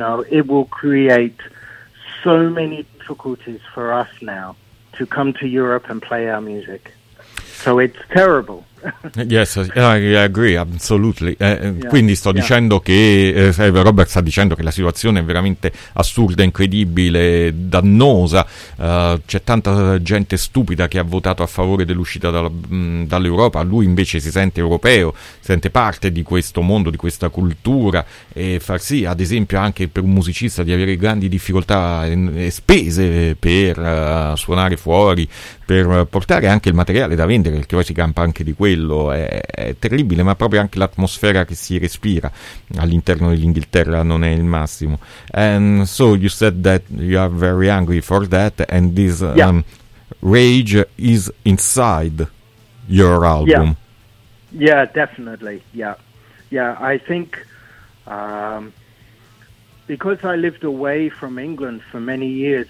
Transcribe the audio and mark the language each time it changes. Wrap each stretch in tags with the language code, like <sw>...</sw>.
<en>It will create so many difficulties for us now to come to Europe and play our music, so it's terrible. Yes, I agree, absolutely.</en> <it>Quindi sto dicendo che Robert sta dicendo che la situazione è veramente assurda, incredibile, dannosa. C'è tanta gente stupida che ha votato a favore dell'uscita dall'Europa. Lui invece si sente europeo, sente parte di questo mondo, di questa cultura, e far sì, ad esempio, anche per un musicista di avere grandi difficoltà e spese per suonare fuori, per portare anche il materiale da vendere, perché poi si campa anche di quello. È terribile, ma proprio anche l'atmosfera che si respira all'interno dell'Inghilterra non è il massimo.</it> <en>And so you said that you are very angry for that, and this rage is inside your album. Yeah, definitely. Yeah, I think because I lived away from England for many years.</en>